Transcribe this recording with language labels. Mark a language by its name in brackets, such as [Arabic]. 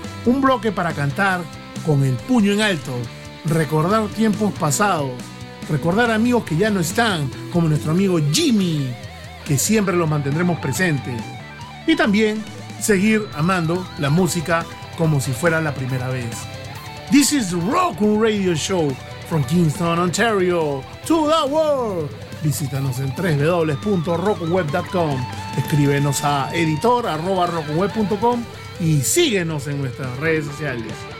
[Spanish] Un bloque para cantar con el puño en alto, recordar tiempos pasados, recordar amigos que ya no están, como nuestro amigo Jimmy, que siempre lo mantendremos presente. Y también seguir amando la música como si fuera la primera vez. [English] This is Rock'n Radio Show from Kingston, Ontario, to the world. [Spanish] Visítanos en www.rockweb.com. Escríbenos a editor@rockweb.com y síguenos en nuestras redes sociales.